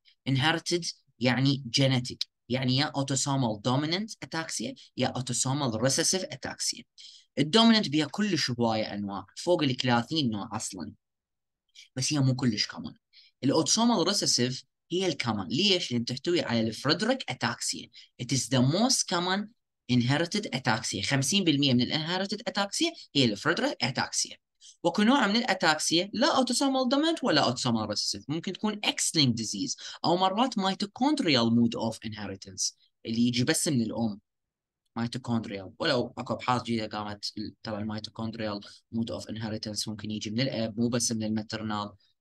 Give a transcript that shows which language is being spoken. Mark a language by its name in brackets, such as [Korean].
[Arabic] انهيرتد يعني جينيتيك، يعني يا اوتوسومال دوميننت اتاكسيا يا اوتوسومال ريسيسيف اتاكسيا. الدوميننت بيها كلش هوايه انواع، فوق ال 30 نوع اصلا، بس هي مو كلش كومن. الاوتوسومال ريسيسيف هي الكومن، ليش؟ لان تحتوي على الفريدريك اتاكسيا. [English] It is the most common inherited ataxia. [Arabic] 50% من الانهيرتد اتاكسيا هي الفريدريك اتاكسيا. وكل نوع من الاتاكسيا لا اوتوسومال دومينت ولا اوتوسومال ريسيسيف، ممكن تكون اكس لينك ديزيز، او مرات مايتوكوندريال مود اوف انهيرتنس اللي يجي بس من الام، مايتوكوندريال. ولو اكو ابحاث جديده قامت ترى المايتوكوندريال مود اوف انهيرتنس ممكن يجي من الاب مو بس من الماترنال.